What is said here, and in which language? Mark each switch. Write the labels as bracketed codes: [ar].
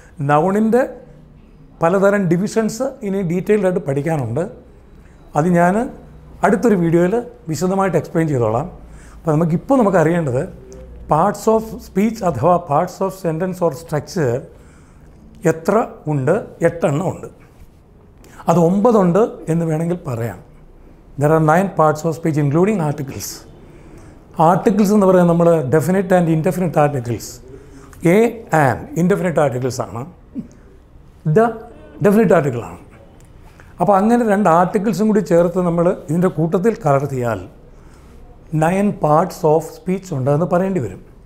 [ml] നൗണിൻ്റെ പലതരം ഡിവിഷൻസ് ഇനി ഡീറ്റെയിൽഡായിട്ട് പഠിക്കാനുണ്ട്. അത് ഞാൻ അടുത്തൊരു വീഡിയോയിൽ വിശദമായിട്ട് എക്സ്പ്ലെയിൻ ചെയ്തോളാം. അപ്പോൾ നമുക്കിപ്പോൾ നമുക്കറിയേണ്ടത് പാർട്സ് ഓഫ് സ്പീച്ച് അഥവാ parts of sentence or structure എത്ര ഉണ്ട്. 8 ഉണ്ട്, അത് 9 എന്ന് വേണമെങ്കിൽ പറയാം. [en] There are 9 parts of speech including articles. [ml] Articles എന്ന് പറയുന്നത് നമ്മൾ definite and indefinite articles, A and indefinite ആർട്ടിക്കിൾസാണ്, the definite ആർട്ടിക്കിളാണ്. അപ്പോൾ അങ്ങനെ രണ്ട് ആർട്ടിക്കിൾസും കൂടി ചേർത്ത് നമ്മൾ ഇതിൻ്റെ കൂട്ടത്തിൽ കലർത്തിയാൽ 9 parts of speech ഉണ്ടെന്ന് പറയേണ്ടി വരും.